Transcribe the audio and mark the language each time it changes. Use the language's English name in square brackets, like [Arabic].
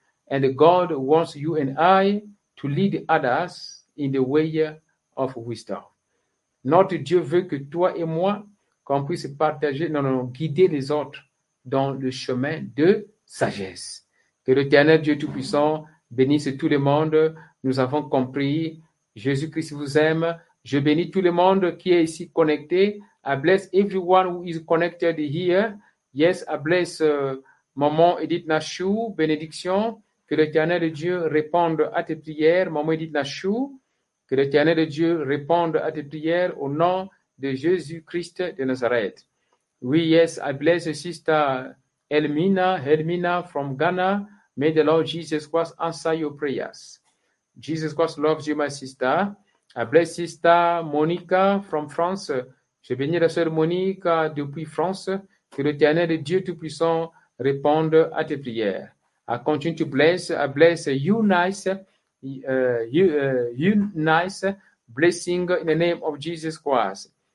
[English] And God wants you and I to lead others in the way of wisdom. [French] Notre Dieu veut que toi et moi, qu'on puisse partager, guider les autres dans le chemin de sagesse. Que l'Éternel Dieu Tout-Puissant bénisse tout le monde. Nous avons compris. Jésus-Christ vous aime. Je bénis tout le monde qui est ici connecté. [English] I bless everyone who is connected here. Yes, I bless Maman Edith Nachou. [French] Bénédiction. Que l'Éternel Dieu réponde à tes prières. Maman Edith Nachou. Que l'Éternel Dieu réponde à tes prières au nom de Jésus-Christ de Nazareth. Oui, [English] yes, I bless Sister Hermina, Hermina from Ghana, may the Lord Jesus Christ answer your prayers. Jesus Christ loves you, my sister. I bless Sister Monica from France. [French] Je bénis la sœur Monica depuis France. Que l'Éternel Dieu Tout-Puissant réponde à tes prières. [English] I continue to bless. I bless you nice. You nice. Blessing in the name of Jesus Christ.